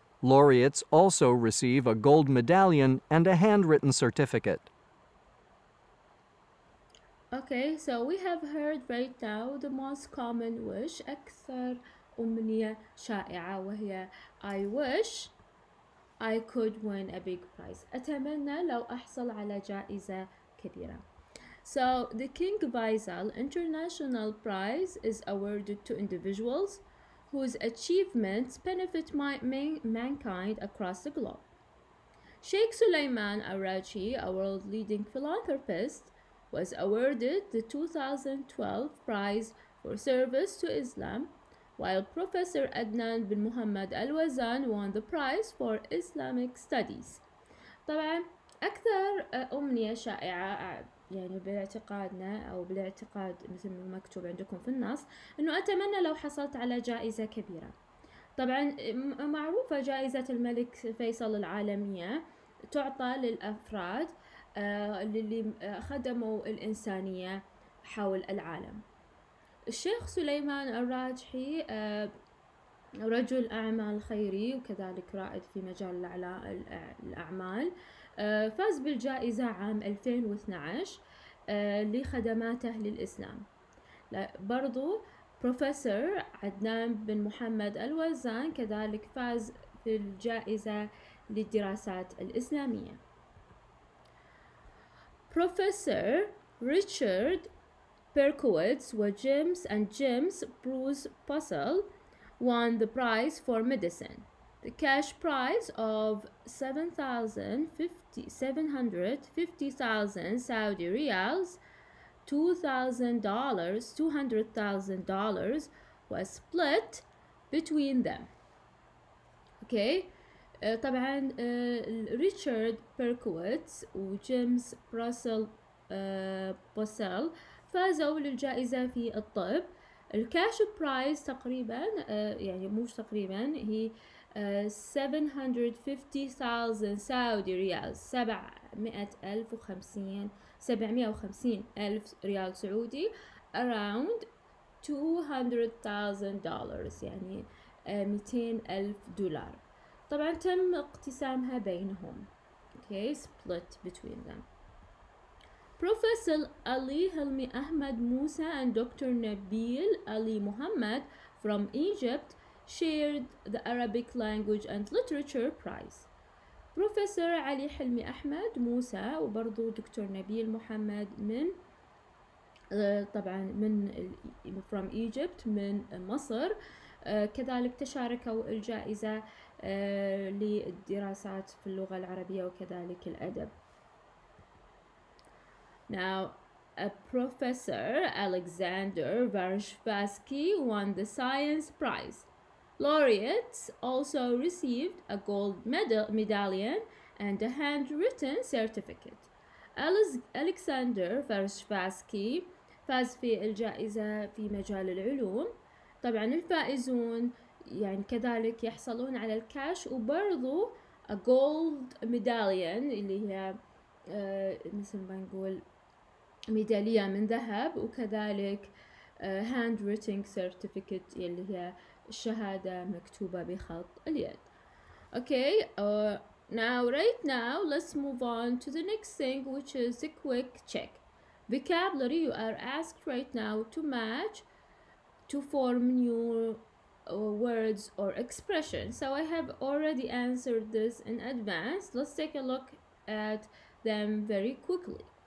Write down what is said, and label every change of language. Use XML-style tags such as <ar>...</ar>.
<en>Laureates also receive a gold medallion and a handwritten certificate. Okay, so we have heard right now the most common wish,</en> <ar>أكثر أمنية شائعة وهي</ar> <en>I wish I could win a big prize.</en> <ar>أتمنى لو أحصل على جائزة كبيرة.</ar> <en>So the King Faisal International Prize is awarded to individuals whose achievements benefit mankind across the globe. Sheikh Suleiman Al-Raji, a world-leading philanthropist, was awarded the 2012 prize for service to Islam, while Professor Adnan bin Muhammad Al-Wazan won the prize for Islamic studies.</en> <ar>طبعا أكثر أمنية شائعة يعني بالاعتقادنا أو بالاعتقاد مثل ما مكتوب عندكم في النص أنه أتمنى لو حصلت على جائزة كبيرة. طبعا معروفة جائزة الملك فيصل العالمية تعطى للأفراد اللي خدموا الإنسانية حول العالم. الشيخ سليمان الراجحي رجل أعمال خيري وكذلك رائد في مجال الأعمال فاز بالجائزة عام 2012 لخدماته للإسلام. برضو بروفيسور عدنان بن محمد الوزان كذلك فاز بالجائزة للدراسات الإسلامية. بروفيسور ريتشارد بيركويتس وجيمس أند جيمس بروس باسل</ar> <en>won the prize for medicine. The cash prize of 750,000 Saudi riyals, $200,000, was split between them.</en> <ar>Okay, طبعا ريتشارد بيركويتس وجيمس براسل بوسل فازوا للجائزة في الطب. الكاش برايز تقريبا يعني مش تقريبا هي 750,000 سعودي ريال 750,000 ريال سعودي</ar> <en>around $200,000</en> <ar>يعني 200,000 دولار. طبعا تم اقتسامها بينهم.</ar> <en>Okay, split between them. Professor Ali Hilmi Ahmad Musa and Dr. Nabil Ali Muhammad from Egypt shared the Arabic Language and Literature Prize.</en> <ar>Professor Ali Hilmi Ahmad Musa وبرضو دكتور نبيل محمد من طبعا من</ar> <en>from Egypt</en> <ar>من مصر كذلك تشاركوا الجائزة للدراسات في اللغة العربية وكذلك الأدب.</ar> <en>Now, Professor Alexander Varshavsky won the Science Prize. Laureates also received a gold medallion and a handwritten certificate.</en> <ar>Alexander Varshavsky فاز في الجائزة في مجال العلوم طبعا الفائزون يعني كذلك يحصلون على الكاش وبرضو</ar> <en>a gold medallion</en> <ar>اللي هي مثل ما نقول ميدالية من ذهب وكذلك</ar> <en>handwritten certificate</en> <ar>اللي هي شهادة مكتوبة بخط اليد.</ar> <en>Okay, now right now let's move on to the next thing which is a quick check. Vocabulary you are asked right now to match to form new words or expressions. So I have already answered this in advance. Let's take a look at them very quickly.</en>